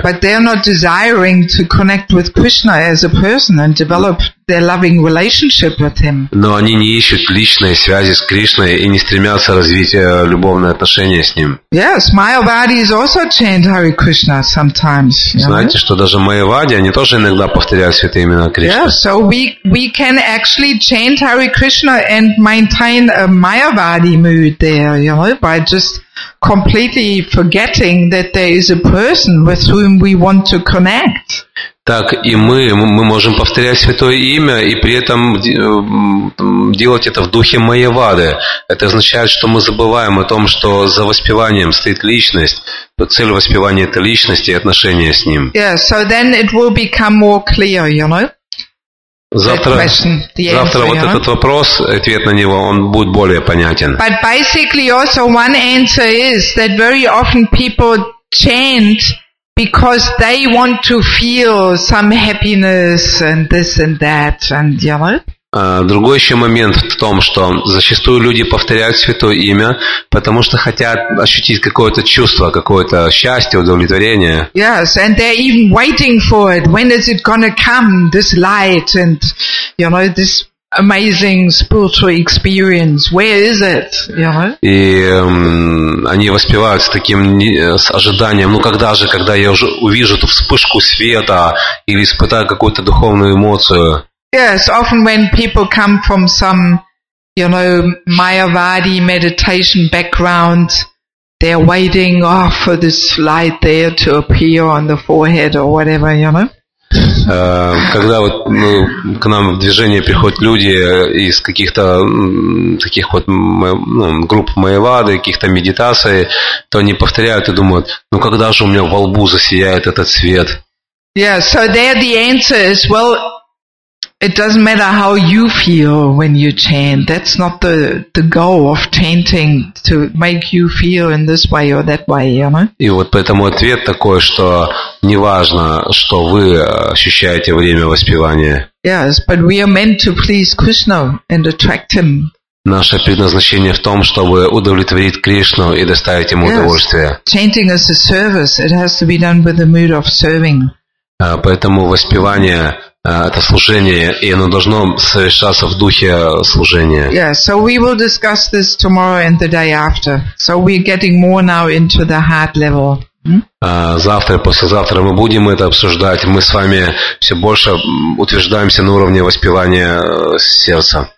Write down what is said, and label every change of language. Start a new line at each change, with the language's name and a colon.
English: But they are not desiring to connect with Krishna as a person and develop their loving relationship with him.
Russian: Но они не ищут личной связи с Кришной и не стремятся развить любовные отношения с ним.
English: Yes, Mayavadi is also chanting Hare Krishna sometimes.
Russian: Знаете, что даже Майявади, они тоже иногда повторяют Святые Имена Кришны.
English: Yes, so we can actually chant Hare Krishna and maintain a Mayavadi mood there, you know, by just completely forgetting that there is a person with whom we want to connect.
Russian: Так и мы можем повторять святое имя и при этом делать это в духе Майявады. Это означает, что мы забываем о том, что за воспеванием стоит личность. Цель воспевания — это личность и отношения с ним.
English: Yeah, so then it will become more clear, you know.
Russian: Завтра вот этот вопрос, ответ на него, он будет более понятен.
English: But basically also one answer is that very often people chant because they want to feel some happiness and this and that and you know.
Russian: Другой еще момент в том, что зачастую люди повторяют святое имя, потому что хотят ощутить какое-то чувство, какое-то счастье, удовлетворение.
English: Yes, and they're even waiting for it. When is it gonna come, this light and you know, this amazing spiritual experience? Where is it? You know?
Russian: И они воспевают с таким с ожиданием, ну когда же, когда я уже увижу эту вспышку света или испытаю какую-то духовную эмоцию.
English: Yes, often when people come from some, you know, Mayavadi meditation background, they're waiting for this light there to appear on the forehead or whatever, you know.
Russian: Когда вот к нам в движение приходят люди из каких-то таких вот групп Майявады, каких-то медитаций, то они повторяют и думают: ну когда же у меня во лбу засияет этот свет?
English: Yeah, so there the answer is well. It doesn't matter how you feel when you chant. That's not the goal of chanting to make you feel in this way or that way, you know?
Russian: И вот поэтому ответ такой, что неважно, что вы ощущаете время воспевания.
English: Yes, but we are meant to please Krishna and attract him.
Russian: Наше предназначение в том, чтобы удовлетворить Кришну и доставить ему удовольствие.
English: Chanting is a service. It has to be done with the mood of serving.
Russian: Поэтому воспевание — это служение, и оно должно совершаться в духе служения.
English: Yeah, so we will discuss this tomorrow and the day after. So we're getting more now into the heart level.
Russian: Завтра, послезавтра мы будем это обсуждать. Мы с вами все больше утверждаемся на уровне воспевания сердца.